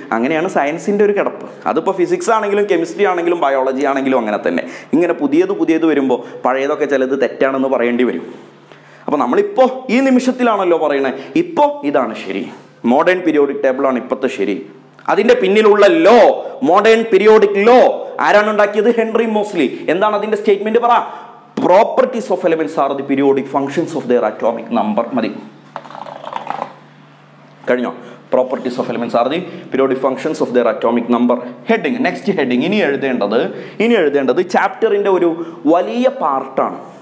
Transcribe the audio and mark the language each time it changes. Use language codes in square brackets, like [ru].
[ml] അങ്ങനെയാണ് സയൻസിൻ്റെ ഒരു കിടപ്പ്. അതിപ്പോൾ ഫിസിക്സ് ആണെങ്കിലും കെമിസ്ട്രി ആണെങ്കിലും ബയോളജി ആണെങ്കിലും അങ്ങനെ തന്നെ, ഇങ്ങനെ പുതിയത് പുതിയത് വരുമ്പോൾ പഴയതൊക്കെ ചിലത് തെറ്റാണെന്ന് പറയേണ്ടി വരും. അപ്പോൾ നമ്മളിപ്പോൾ ഈ നിമിഷത്തിലാണല്ലോ പറയണത്, ഇപ്പോൾ ഇതാണ് ശരി, മോഡേൺ പീരിയോഡിക് ടേബിളാണ് ഇപ്പോഴത്തെ ശരി. അതിൻ്റെ പിന്നിലുള്ള ലോ, മോഡേൺ പീരിയോഡിക് ലോ ആരാണ് ഉണ്ടാക്കിയത്? Henry Moseley. എന്താണ് അതിൻ്റെ സ്റ്റേറ്റ്മെൻറ്? [en] പറ properties of elements are the periodic functions of their atomic number. [ml] മതി, കഴിഞ്ഞോ? [en] properties of elements are the periodic functions of their atomic number. Heading, next heading. [ml] ഇനി എഴുതേണ്ടത് ചാപ്റ്ററിന്റെ ഒരു വലിയ പാർട്ടാണ്.